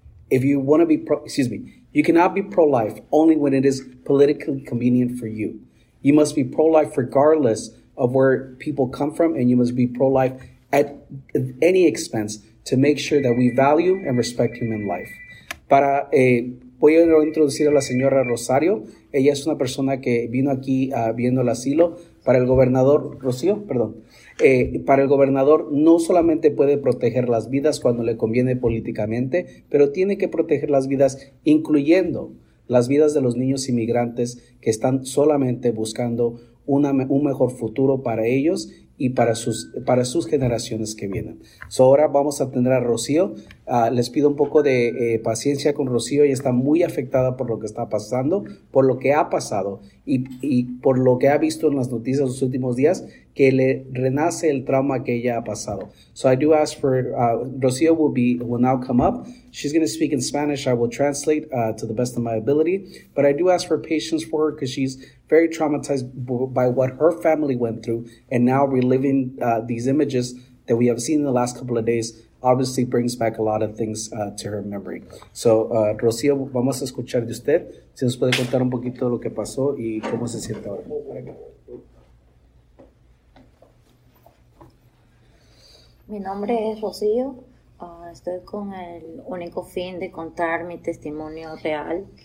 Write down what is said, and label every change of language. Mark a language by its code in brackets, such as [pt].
[en] If you want to be you cannot be pro-life only when it is politically convenient for you. You must be pro-life regardless of where people come from, and you must be pro-life at any expense to make sure that we value and respect human life. [es] Para voy a introducir a la señora Rosario. Ella es una persona que vino aquí viendo el asilo. Para el gobernador, Rocío, perdón, para el gobernador no solamente puede proteger las vidas cuando le conviene políticamente, pero tiene que proteger las vidas, incluyendo las vidas de los niños inmigrantes que están solamente buscando un mejor futuro para ellos y para sus generaciones que vienen. So ahora vamos a atender a Rocío. Les pido un poco de paciencia con Rocío. Ella está muy afectada por lo que está pasando, por lo que ha pasado y por lo que ha visto en las noticias los últimos días, que le renace el trauma que ella ha pasado. [en] So I do ask for, Rocío will now come up. She's going to speak in Spanish. I will translate to the best of my ability. But I do ask for patience for her because she's very traumatized by what her family went through, and now reliving these images that we have seen in the last couple of days obviously brings back a lot of things to her memory. [es] So, Rocío, vamos a escuchar de usted. Si nos puede contar un poquito lo que pasó y cómo se siente ahora. Mi nombre es Rocío. Estoy con el único fin de contar mi testimonio real.